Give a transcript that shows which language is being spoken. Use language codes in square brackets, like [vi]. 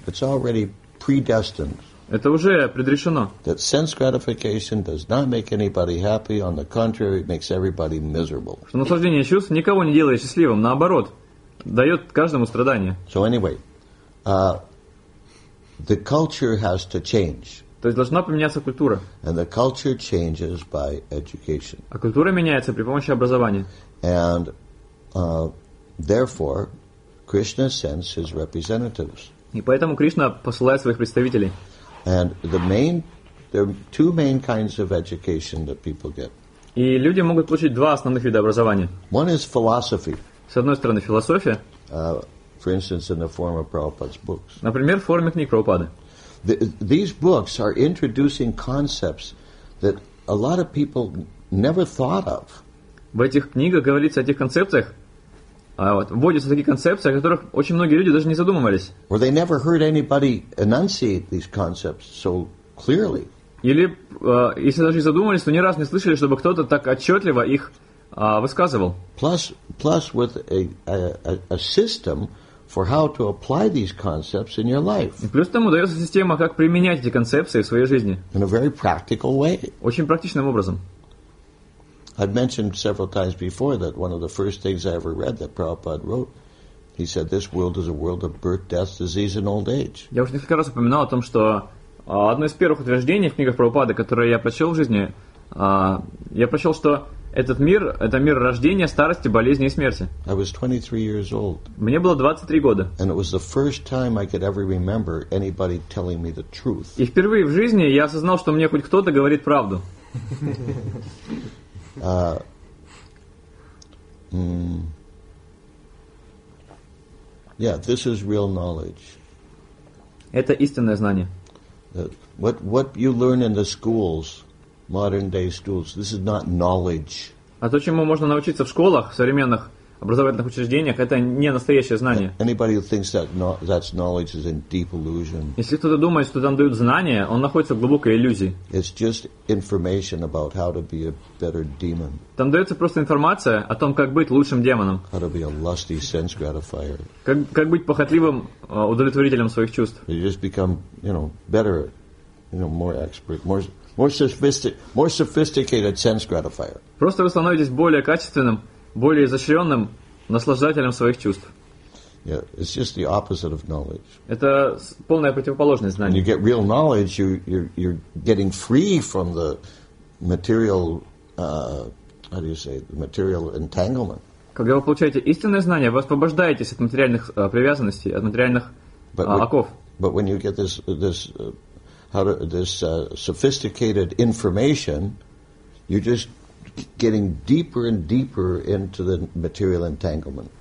[en] It's already predestined. [ru] Это уже предрешено. [en] That sense gratification does not make anybody happy, on the contrary, it makes everybody miserable. [ru] Что наслаждение чувств никого не делает счастливым, наоборот, дает каждому страдания. [en] So anyway, the culture has to change. [ru] То есть должна поменяться культура. [en] And the culture changes by education. [ru] А культура меняется при помощи образования. [en] And therefore, Krishna sends his representatives. [ru] И поэтому Кришна посылает своих представителей. [en] And there are two main kinds of education that people get. [ru] И люди могут получить два основных вида образования. [en] One is philosophy. [ru] С одной стороны, философия. [en] For instance, in the form of Prabhupada's books. [ru] Например, в форме книг Прабхупады. [en] These books are introducing concepts that a lot of people never thought of. [ru] В этих книгах говорится о тех концепциях, вводятся такие концепции, о которых очень многие люди даже не задумывались. [en] Or they never heard anybody enunciate these concepts so clearly. [ru] Или если даже задумывались, то ни разу не слышали, чтобы кто-то так отчетливо их высказывал. [en] Plus with a system for how to apply these concepts in your life. [ru] Плюс тому дается система, как применять эти концепции в своей жизни. [en] In a very practical way. [ru] Очень практичным образом. [en] I've mentioned several times before that one of the first things I ever read that Prabhupada wrote, he said, "This world is a world of birth, death, disease, and old age." [ru] Я уже несколько раз упоминал о том, что одно из первых утверждений в книгах Прабхупады, которое я прочел в жизни, я прочел, что этот мир – это мир рождения, старости, болезни и смерти. [en] I was 23 years old. [ru] Мне было 23 года. [en] And it was the first time I could ever remember anybody telling me the truth. [ru] И впервые в жизни я осознал, что мне хоть кто-то говорит правду. [en] Yeah, this is real knowledge. [ru] Это истинное знание. [en] What you learn in the schools, modern day schools, this is not knowledge. [ru] А то, чему можно научиться в школах, в современных образовательных учреждениях, это не настоящее знание. [en] Anybody who thinks that's knowledge is in deep illusion. [ru] Если кто-то думает, что там дают знания, он находится в глубокой иллюзии. [en] It's just information about how to be a better demon. [ru] Там дается просто информация о том, как быть лучшим демоном. [en] How to be a lusty sense gratifier. [ru] Как быть похотливым удовлетворителем своих чувств. [en] You just become, you know, better, you know, more expert, more sophisticated sense gratifier. [ru] Просто вы становитесь более качественным, более изощренным наслаждателем своих чувств. [en] Yeah, it's just the opposite of knowledge. [ru] Это полная противоположность знанию. [en] When you get real knowledge, you're getting free from the material, how do you say, the material entanglement. [ru] Когда вы получаете истинное знание, вы освобождаетесь от материальных привязанностей, от материальных оков. [en] But when you get this sophisticated information, you're just getting deeper and deeper into the material entanglement.